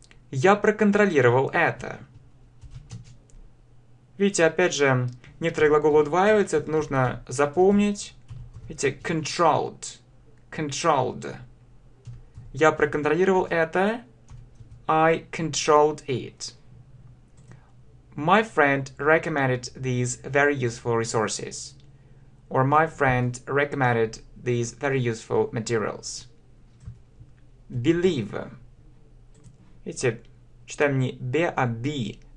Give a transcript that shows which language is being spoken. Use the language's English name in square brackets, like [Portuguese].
[Russian] Я проконтролировал это. Видите, опять же, некоторые глаголы удваиваются, это нужно запомнить. Видите, [English] controlled. Controlled. [Russian] Я проконтролировал это. [English] I controlled it. My friend recommended these very useful resources. Or my friend recommended these very useful materials. Believe. [Russian] Видите, читаем не be, а be.